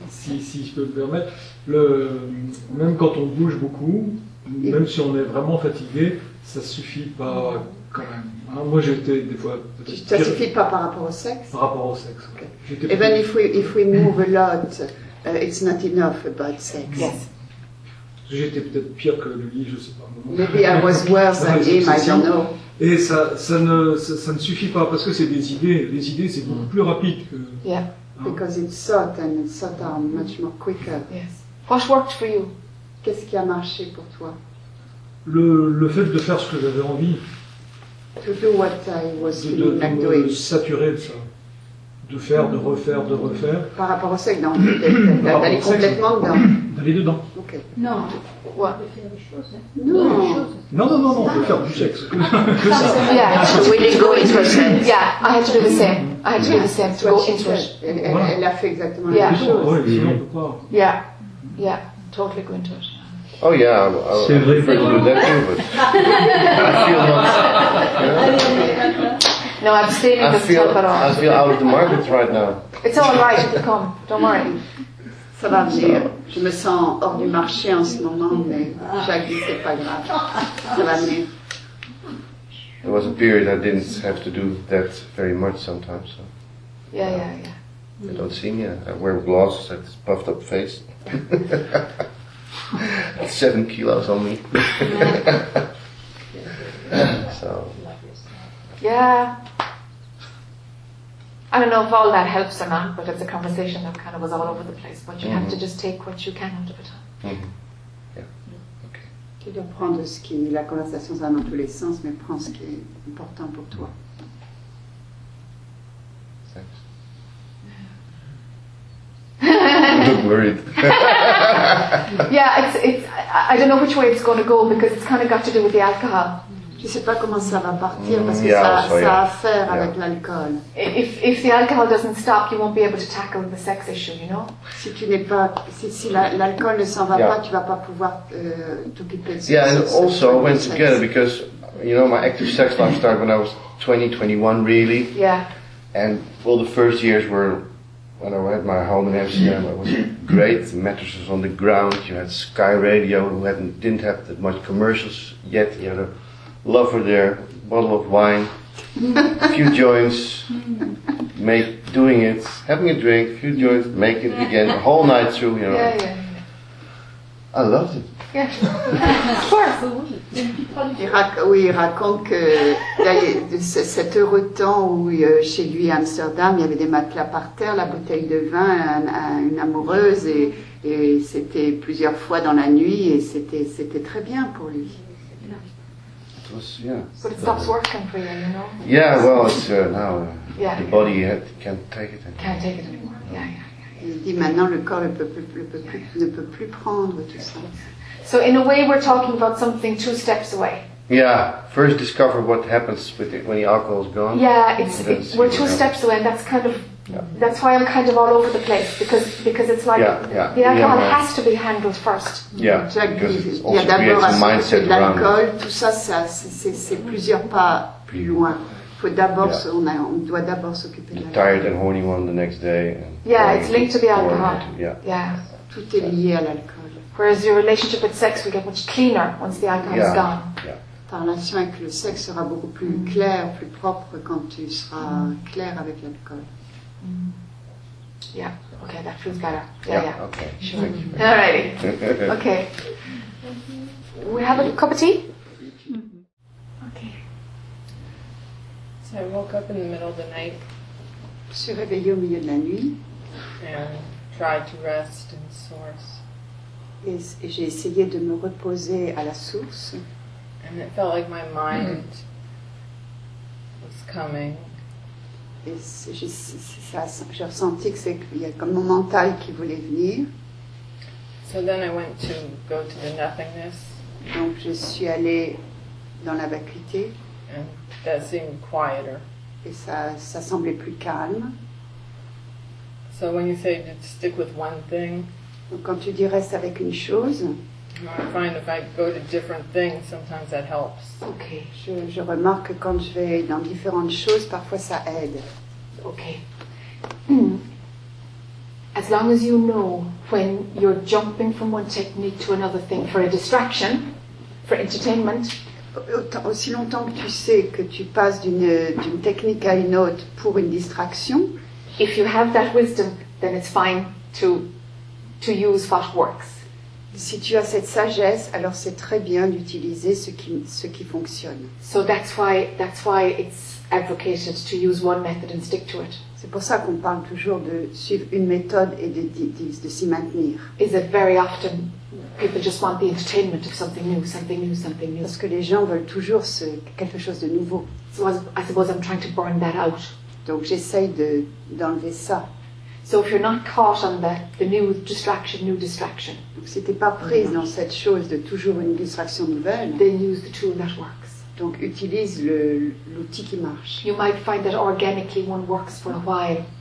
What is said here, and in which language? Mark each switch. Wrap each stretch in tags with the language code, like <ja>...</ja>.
<fr>Si je peux me permettre, même quand on bouge beaucoup, même si on est vraiment fatigué, ça suffit pas quand même. Alors moi j'étais des fois. Ça suffit pas par rapport au sexe. Par rapport au sexe. Okay.</fr> <en>Even if we move a lot. It's not enough about sex. Yes.</en> <fr>J'étais peut-être pire que lui, je sais pas.</fr> <en>Maybe I was worse than him, I don't know.</en> <fr>Et ça ne suffit pas parce que c'est des idées. Les idées, c'est beaucoup plus rapide que.</fr> <en>Yeah. Because it's thought and it's thought are much more quicker. Yes. What worked for you?</en> <fr>Qu'est-ce qui a marché pour toi? Le fait de faire ce que j'avais envie.</fr> <en>To do what I was doing.</en> <fr>De me saturer de ça. De faire, de refaire, de refaire. Par rapport au sexe, d'aller complètement dedans. D'aller dedans. Ok. Non. Quoi? De faire des choses. Non. Non, de faire du sexe. Que ça.</fr> <en>Yeah, so we didn't go into a sex. Yeah, I had to do the same. To go into it.</en> <fr>Elle a fait exactement la même chose. Oui, sinon on ne peut pas.</fr> <en>Yeah. Yeah. Totally go into it. Oh yeah, I'll</en> <fr>c'est vrai,</fr> <en>I'll do that too, but I feel not. No, I'm staying in the top at all. I feel out of the market right now. It's all right, it'll come. Don't worry.</en> <fr>Ça va venir. Je me sens hors du marché en ce moment, mais Jacques dit que c'est pas grave. Ça va venir.</fr> <en>There was a period I didn't have to do that very much sometimes. So. Yeah. I don't see me. I wear glasses, I have this puffed up face. 7 kilos on me. So. Yeah. I don't know if all that helps or not, but it's a conversation that kind of was all over the place. But you have to just take what you can out of it. Mm-hmm. Yeah. Okay.</en> <fr>Tu dois prendre ce qui la conversation va dans tous les sens, mais prends ce qui est important pour toi.</fr> <en>Look worried. Yeah, it's. I don't know which way it's going to go because it's kind of got to do with the alcohol.</en> <fr>Je sais pas comment ça va partir parce que ça a à faire avec l'alcool.</fr> <en>If the alcohol doesn't stop, you won't be able to tackle the sex issue, you know.</en> <fr>Si tu n'es pas, si l'alcool ne s'en va pas, tu vas pas pouvoir t'occuper de ça.</fr> <en>Yeah, and also I went together because you know my active sex life started when I was 20, 21 really. Yeah. And well, the first years were. When I had my home in Amsterdam, it was great. The mattress was on the ground. You had Sky Radio, who didn't have that much commercials yet. You had a lover there, a bottle of wine, a few joints, doing it, having a drink, a few joints, make it again, the whole night through, you know. Yeah. I loved it. Yeah.</en> <fr>Il raconte que cet heureux temps où chez lui à Amsterdam, il y avait des matelas par terre, la bouteille de vin, une amoureuse, et c'était plusieurs fois dans la nuit, et c'était très bien pour lui.</fr> <en>It was, yeah. But it stops working for you, you know? Yeah, well, it's now the body can't take it anymore. Can't take it anymore. Yeah.</en> <fr>Il dit maintenant le corps ne peut plus prendre tout ça.</fr> <en>So in a way, we're talking about something 2 steps away. Yeah, first discover what happens with it when the alcohol is gone. Yeah, we're 2 steps away, and that's kind of that's why I'm kind of all over the place because it's like the alcohol has to be handled first. Yeah, because it also creates a mindset around.</en> <fr>L'alcool, tout ça, c'est plusieurs pas plus loin. Faut d'abord on doit d'abord s'occuper.</fr> <en>The tired and horny one the next day. And yeah, it's linked to the alcohol. Yeah,</en> <fr>tout est lié à l'alcool.</fr> <en>Whereas your relationship with sex will get much cleaner once the alcohol is gone. Yeah.</en> <fr>Ta relation avec le sexe sera beaucoup plus claire, plus propre quand tu seras clair avec l'alcool. Mm.</fr> <en>Yeah. Okay, that feels better. Yeah. Yeah. Okay. Sure. Okay. We have a cup of tea? Okay. So I woke up in the middle of the night.</en> <fr>Je suis réveillée au milieu de la nuit.</fr> <en>And tried to rest and source.</en> <fr>Et j'ai essayé de me reposer à la source.</fr> <en>And it felt like my mind was coming.</en> <fr>Et j'ai ressenti que c'est qu'il y a comme mon mental qui voulait venir.</fr> <en>So then I went to go to the nothingness.</en> <fr>Donc je suis allée dans la vacuité.</fr> <en>And that seemed quieter.</en> <fr>Et ça semblait plus calme.</fr> <en>So when you say to stick with one thing.</en> <fr>Donc quand tu dis reste avec une chose.</fr> <en>I find if I go to different things, sometimes that helps. Okay.</en> <fr>Je remarque que quand je vais dans différentes choses, parfois ça aide. Okay.</fr> <en>As long as you know when you're jumping from one technique to another thing for a distraction, for entertainment.</en> <fr>Aussi longtemps que tu sais que tu passes d'une technique à une autre pour une distraction.</fr> <en>If you have that wisdom, then it's fine to use what works.</en> <fr>Si tu as cette sagesse, alors c'est très bien d'utiliser ce qui fonctionne.</fr> <en>So that's why it's advocated to use one method and stick to it.</en> <fr>C'est pour ça qu'on parle toujours de suivre une méthode et de s'y maintenir.</fr> <en>Is it very often people just want the entertainment of something new, something new, something new?</en> <fr>Parce que les gens veulent toujours quelque chose de nouveau.</fr> <en>So I suppose I'm trying to burn that out.</en> <fr>Donc j'essaye d'enlever ça.</fr> <en>So if you're not caught on the new distraction.</en> <fr>Donc si t'es pas prise dans cette chose de toujours une distraction nouvelle.</fr> <en>Then use the tool that works.</en> <fr>Donc utilise l'outil qui marche.</fr> <en>You might find that organically one works for a while.</en>